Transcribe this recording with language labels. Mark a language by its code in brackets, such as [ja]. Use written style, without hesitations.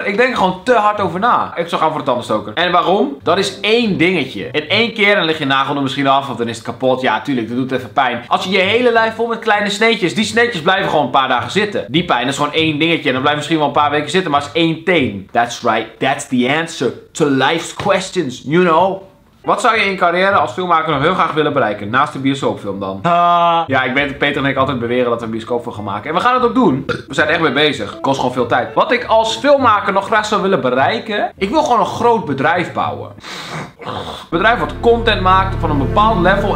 [nl] Ik denk er gewoon te hard over na. Ik zou gaan voor de tandenstoker. En waarom? Dat is één dingetje. In één keer dan lig je nagel er misschien af of dan is het kapot. Ja, tuurlijk, dat doet even pijn. Als je je hele lijf vol met kleine sneetjes, die sneetjes blijven gewoon een paar dagen zitten. Die pijn is gewoon één dingetje en dan blijft misschien wel een paar weken zitten, maar het is één teen. [en] That's right, that's the answer to life's questions, you know? [nl] Wat zou je in carrière als filmmaker nog heel graag willen bereiken? Naast de bioscoopfilm dan. Ja, ik weet dat Peter en ik altijd beweren dat we een bioscoopfilm gaan maken. En we gaan het ook doen. We zijn echt mee bezig. Kost gewoon veel tijd. Wat ik als filmmaker nog graag zou willen bereiken... Ik wil gewoon een groot bedrijf bouwen. Een bedrijf wat content maakt van een bepaald level.